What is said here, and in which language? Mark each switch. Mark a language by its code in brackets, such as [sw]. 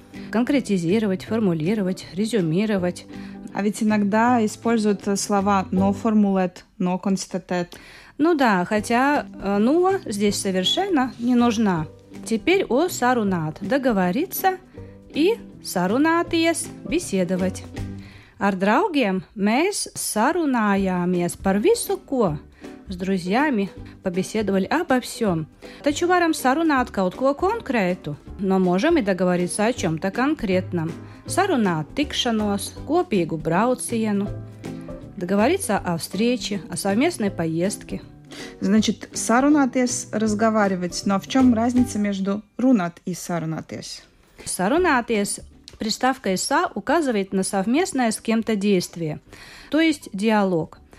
[ru] Конкретизировать, формулировать, резюмировать. А ведь иногда используют слова «но формулет», «но констатет». Ну да, хотя «но» здесь совершенно не нужна. Теперь о сарунат – договориться и сарунатес – беседовать. [lv] Ar draugiem mēs sarunājāmies par visu ko. [ru] С друзьями побеседовали обо всем. [lv] Taču varam sarunāt kaut ko konkrētu, [ru] no možam i dogovoriться о чем-то конкретном. [lv] Sarunāt tikšanos, kopīgu braucienu, [ru] dogovoriться о встрече, о совместной поездке. Значит, sarunāties – разговаривать, но в чем разница между runāt и sarunāties? Sarunāties – приставка «са» указывает на совместное с кем-то действие, то есть диалог.